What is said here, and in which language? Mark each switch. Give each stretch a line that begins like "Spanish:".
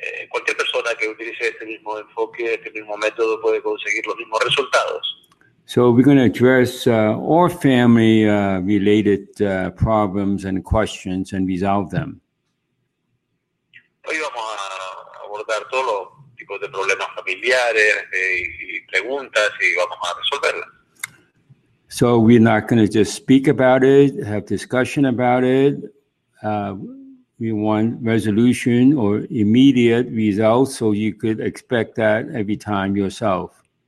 Spanish: Cualquier persona que utilice este mismo enfoque, este mismo método puede conseguir los mismos resultados.
English: So we're going to address all family-related problems and questions and resolve them.
Spanish: Hoy vamos a abordar todos los tipos de problemas familiares y preguntas y vamos a resolverlas.
English: So we're not going to just speak about it, have discussion about it. We want resolution or immediate results, so you could expect that every time yourself.